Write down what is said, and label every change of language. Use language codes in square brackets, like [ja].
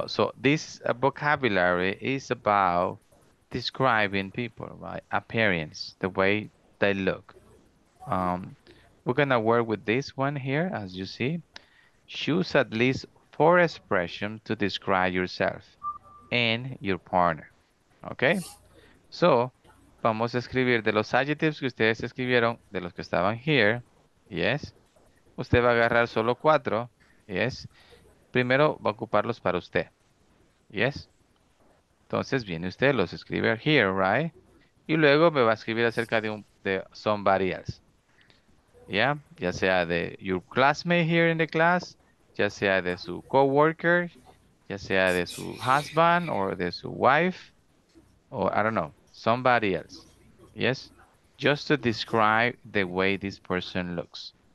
[en] So this vocabulary is about describing people, right? Appearance, the way they look. We're gonna work with this one here, as you see. Choose at least 4 expressions to describe yourself and your partner, okay? [es] So, vamos a escribir de los adjectives que ustedes escribieron, de los que estaban here, yes? Usted va a agarrar solo 4, yes? Primero va a ocuparlos para usted. Yes. Entonces viene usted, los escribe here, right? Y luego me va a escribir acerca de somebody else. [en] Yeah. Ya sea de your classmate here in the class. Ya sea de su co-worker. Ya sea de su husband or de su wife. Or I don't know. Somebody else. Yes. Just to describe the way this person looks.